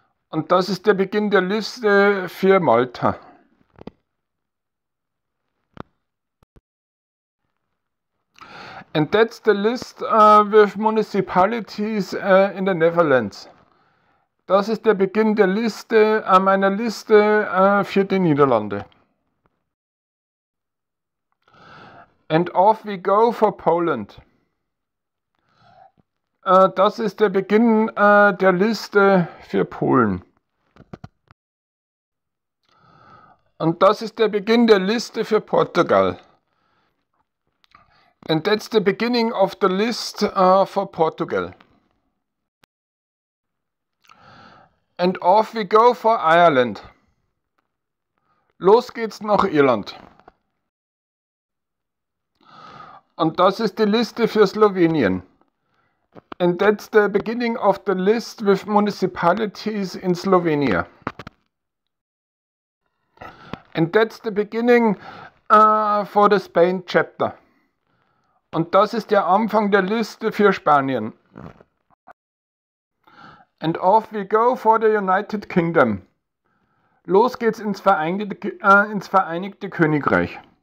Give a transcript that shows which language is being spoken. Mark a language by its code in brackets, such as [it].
[de] Und das ist der Beginn der Liste für Malta. [en] And that's the list with municipalities in the Netherlands. [de] Das ist der Beginn der Liste, meiner Liste für die Niederlande. [en] And off we go for Poland. [de] Das ist der Beginn der Liste für Polen. Und das ist der Beginn der Liste für Portugal. [en] And that's the beginning of the list for Portugal. And off we go for Ireland. [de] Los geht's nach Irland. Und das ist die Liste für Slowenien. [en] And that's the beginning of the list with municipalities in Slovenia. And that's the beginning for the Spain chapter. [de] Und das ist der Anfang der Liste für Spanien. [en] And off we go for the United Kingdom. [de] Los geht's ins Vereinigte Königreich.